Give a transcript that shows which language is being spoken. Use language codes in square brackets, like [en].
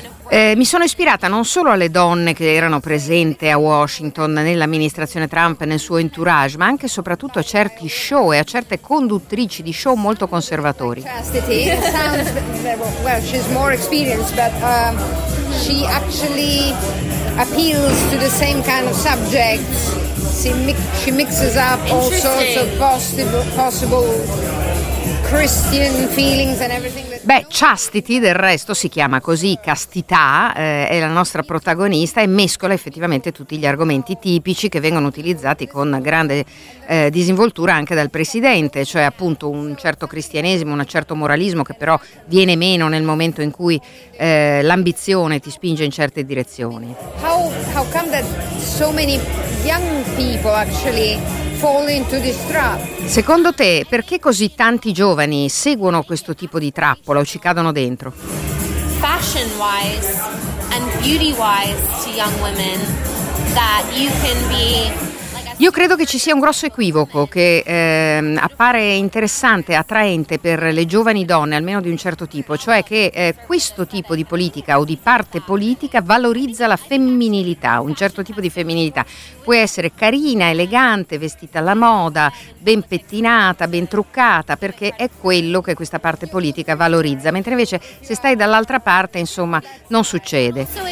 [it] Mi sono ispirata non solo alle donne che erano presenti a Washington nell'amministrazione Trump e nel suo entourage, ma anche e soprattutto a certi show e a certe conduttrici di show molto conservatori. [en] Well, she's more experienced, but she actually appeals to the same kind of subjects. She mixes up all sorts of possible Christian feelings and everything. [it] Beh, Chastity del resto si chiama così, Castità è la nostra protagonista e mescola effettivamente tutti gli argomenti tipici che vengono utilizzati con grande disinvoltura anche dal presidente, cioè appunto un certo cristianesimo, un certo moralismo che però viene meno nel momento in cui l'ambizione ti spinge in certe direzioni. [en] How come that so many young people actually fall into this trap? [it] Secondo te, perché così tanti giovani seguono questo tipo di trappola o ci cadono dentro? [en] Fashion wise and beauty wise to young women that you can be. [it] Io credo che ci sia un grosso equivoco che appare interessante, attraente per le giovani donne, almeno di un certo tipo, cioè che questo tipo di politica o di parte politica valorizza la femminilità, un certo tipo di femminilità. Puoi essere carina, elegante, vestita alla moda, ben pettinata, ben truccata, perché è quello che questa parte politica valorizza, mentre invece se stai dall'altra parte, insomma, non succede.